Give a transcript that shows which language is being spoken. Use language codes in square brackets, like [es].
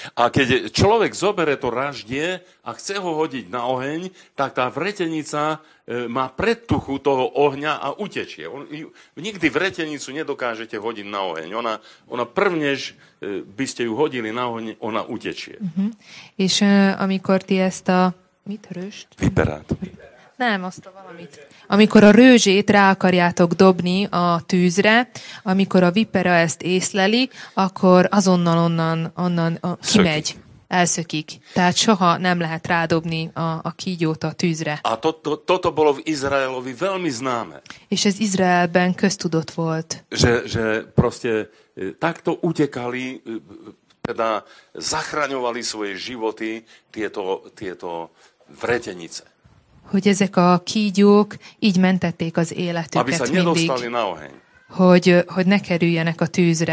[sk] A keď človek zobere to raždie a chce ho hodiť na oheň, tak tá vretenica má predtuchu toho ohňa a utečie. Nikdy vretenicu nedokážete hodiť na oheň. Ona prvnež by ste ju hodili na oheň, ona utečie. Uh-huh. [hu] És amikor ti ezt a mit röst? Viperát. Nem, azt a valamit. Amikor a rőzsét rá akarjátok dobni a tűzre, amikor a vipera ezt észleli, akkor azonnal onnan kimegy, elszökik. Tehát soha nem lehet rádobni a kígyót a tűzre. [sk] A toto bolo v Izraelovi veľmi známe. [hu] És ez Izraelben köztudott volt. [sk] Že proste takto utekali, teda zachraňovali svoje životy tieto vretenice. [hu] Hogy ezek a kígyók így mentették az életüket mindig, hogy ne kerüljenek a tűzre.